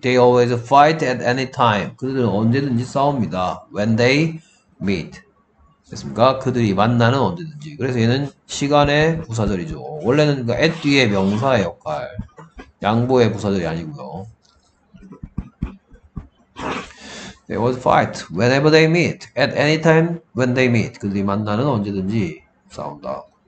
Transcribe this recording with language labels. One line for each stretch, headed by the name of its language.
English: They always fight at any time.
Korean: 그들은 언제든지 싸웁니다.
English: When they meet.
Korean: 됐습니까? 그들이 만나는 언제든지. 그래서 얘는 시간의 부사절이죠. 원래는 그 at 뒤에 명사의 역할. 양보의 부사절이 아니고요.
English: They would fight whenever they meet, at any time when they meet.
Korean: 그들이 만나는 언제든지 싸운다.